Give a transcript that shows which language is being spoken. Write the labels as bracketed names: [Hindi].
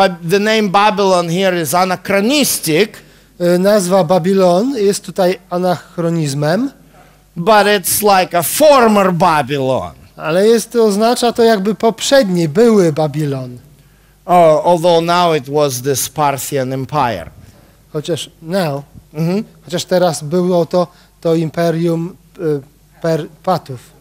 [English] The name Babylon here is anachronistic. [Polish] Nazwa Babylon jest tutaj anachronizmem. [English] But it's like a former Babylon. [Polish] Ale jest to oznacza to jakby poprzedni były Babylon. [English] Although now it was this Parthian Empire. [Polish] Chociaż now. Mm-hmm. Chociaż teraz było to imperium Partów.